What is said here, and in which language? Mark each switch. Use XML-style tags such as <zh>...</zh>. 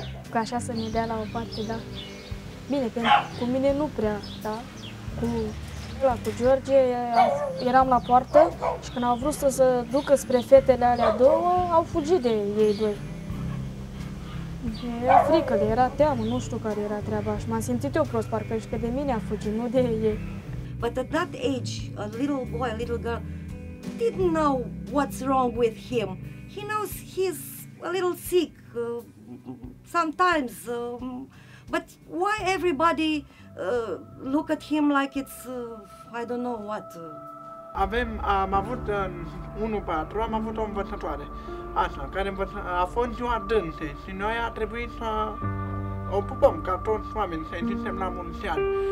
<ro>Că așa să ne dea la o parte, da. Bine, că cu mine nu prea, da. Cu La cu George eram la poartă și când au vrut să se ducă spre fetele alea două, au fugit de ei doi. Era frică, le era teamă, nu știu care era treaba și m-am simțit eu prost, parcă și că de mine a fugit, nu de ei.</ro> <en>But at that age, a little boy, a little girl, didn't know what's wrong with him. He knows he's a little sick sometimes, but why everybody look at him like it's, I don't know what.</en> <ro>Am avut o învățătoare, așa, care a fost ziua dânsei și noi a trebuit să o pupăm ca toți oamenii, să-i zicem la mulți ani.</ro>